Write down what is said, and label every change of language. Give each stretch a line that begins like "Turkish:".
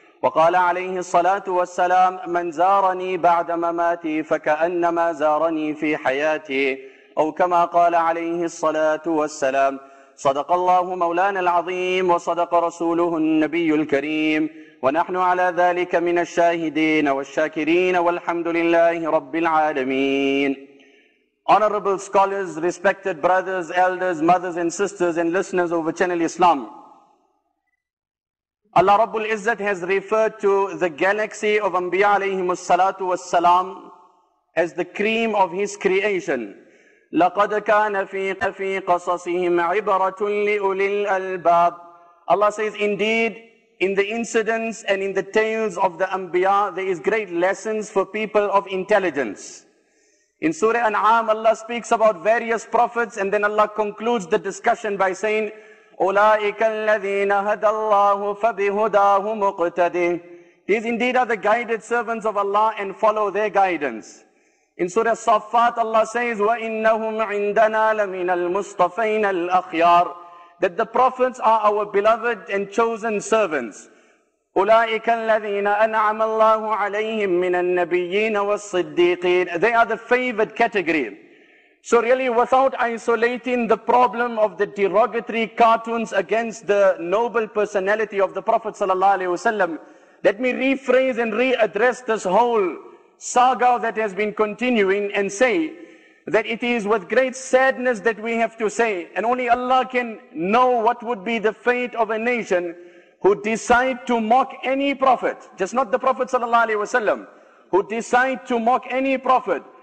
Arabic: وقال عليه الصلاة والسلام: من زارني بعد مماتي فكأنما زارني في حياتي، أو كما قال عليه الصلاة والسلام. صدق الله مولانا العظيم وصدق رسوله النبي الكريم، ونحن على ذلك من الشاهدين والشاكرين، والحمد لله رب العالمين.
English: Honorable scholars, respected brothers, elders, mothers and sisters and listeners of Channel Islam, Allah Rabbul Izzat has referred to the galaxy of Anbiya alayhim as-salatu was-salam as the cream of his creation.
Arabic: لَقَدْ كَانَ فِي قَصَصِهِمْ عِبَرَةٌ لِأُولِي الْأَلْبَابِ.
English: Allah says, indeed, in the incidents and in the tales of the Anbiya, there is great lessons for people of intelligence. In Surah An'am, Allah speaks about various prophets and then Allah concludes the discussion by saying,
Arabic: أُولَٰئِكَ الَّذِينَ هَدَى اللَّهُ فَبِهُدَاهُ مُقْتَدِي.
English: These indeed are the guided servants of Allah and follow their guidance. In Surah Saffat, Allah says,
Arabic: وَإِنَّهُمْ عِنْدَنَا لَمِنَ الْمُصْطَفَيْنَ الْأَخْيَارِ.
English: That the prophets are our beloved and chosen servants.
Arabic: أولئك الذين أنعم الله عليهم من النبيين والصديقين.
English: They are the favored category. So really, without isolating the problem of the derogatory cartoons against the noble personality of the Prophet sallallahu alaihi wasallam, let me rephrase and readdress this whole saga that has been continuing and say that it is with great sadness that we have to say, and only Allah can know what would be the fate of a nation who decide to mock any prophet, just not the Prophet sallallahu alaihi wasallam, who decide to mock any prophet.